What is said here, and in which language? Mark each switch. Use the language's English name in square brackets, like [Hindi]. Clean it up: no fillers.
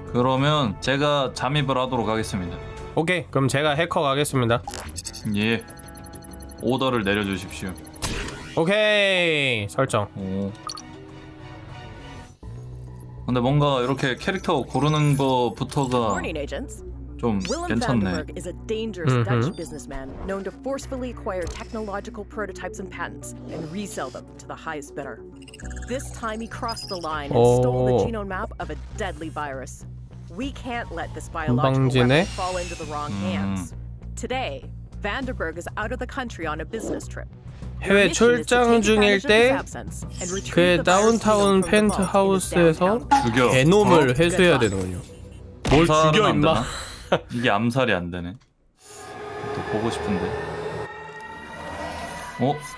[Korean] 그러면 제가 잠입을 하도록 하겠습니다. 오케이 그럼 제가 해커 가겠습니다. 예 오더를 내려주십시오. 오케이 설정. 오. 근데 뭔가 이렇게 캐릭터 고르는 거부터가 좀 괜찮네. [English] Willem Vandenberg is a dangerous Dutch businessman known to forcefully acquire technological prototypes and patents and resell them to the highest bidder. This time he crossed the line and stole the genome map of a deadly virus. We can't let this biological weapon fall into the wrong hands. Today, Vandenberg is out of the country on a business trip. [Korean] 해외 출장 중일 때 그의 다운타운 펜트하우스에서 게놈을 회수해야 되는군요. 뭘 죽여 임마. 이게 암살이 안 되네. 또 보고 싶은데. 어?